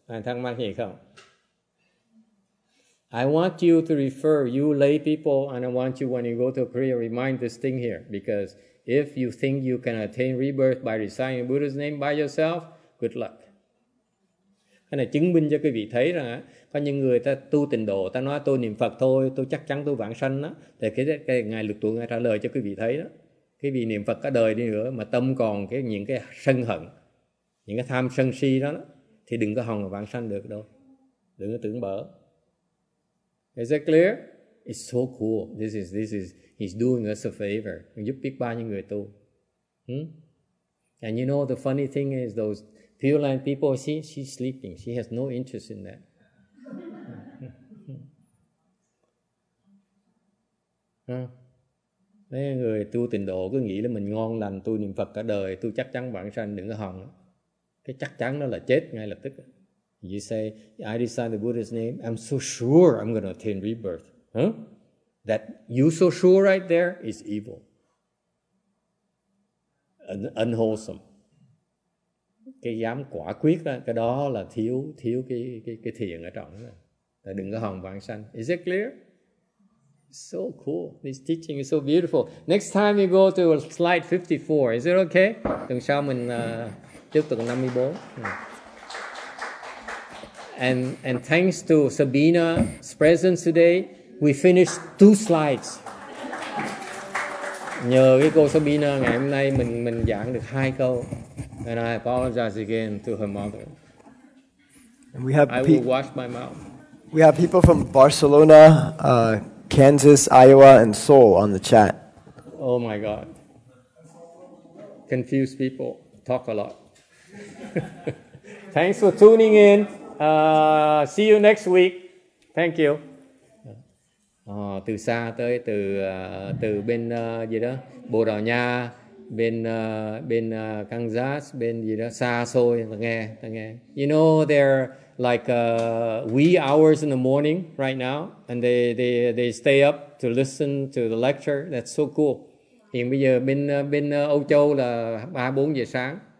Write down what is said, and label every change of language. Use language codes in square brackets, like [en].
[en] I want you to refer, you lay people, and I want you when you go to prayer, remind this thing here. Because if you think you can attain rebirth by reciting Buddha's name by yourself, good luck. [vi] Cái này chứng minh cho quý vị thấy rằng có những người ta tu tịnh độ, ta nói tôi niệm Phật thôi, tôi chắc chắn tôi vãng sanh đó. Thì cái ngài lực tuổi ngài trả lời cho quý vị thấy đó. Quý vị niệm Phật cả đời đi nữa mà tâm còn cái những cái sân hận, những cái tham sân si đó, thì đừng có hòng vãng sanh được đâu. Đừng có tưởng bở. [en] Is that clear? It's so cool. This is he's doing us a favor. [vi] Giúp biết bao nhiêu người tu. [en] And you know the funny thing is those Pure Land people, she's sleeping. She has no interest in that. [vi] Mấy người tu tịnh độ cứ nghĩ là mình ngon lành, tu niệm Phật cả đời, tu chắc chắn vãng sanh, đừng có hòng. Cái chắc chắn đó là chết ngay lập tức. [en] You say, I decide the Buddha's name, I'm so sure I'm going to attain rebirth. Huh? That you so sure right there is evil. Unwholesome. [vi] Cái dám quả quyết đó, cái đó là thiếu cái thiền ở trong đó. Đừng có hòng vãng sanh. [en] Is it clear? So cool. This teaching is so beautiful. Next time you go to slide 54. Is it okay? [vi] Tuần sau mình tiếp tục 54. [en] And thanks to Sabina's presence today, we finished 2 slides. [vi] Nhờ cái cô Sabina ngày hôm nay mình giảng được 2 câu. [en] And I apologize again to her mother. And we have I will wash my mouth. We have people from Barcelona, Kansas, Iowa, and Seoul on the chat. Oh my God. Confused people talk a lot. Thanks for tuning in. See you next week. Thank you. [vi] Từ xa tới từ bên gì đó, Bồ Đào Nha, bên Kansas, bên gì đó xa xôi, ta nghe. [en] You know they're like wee hours in the morning right now, and they stay up to listen to the lecture. That's so cool. [vi] Hiện bây giờ bên Âu Châu là 3-4 giờ sáng.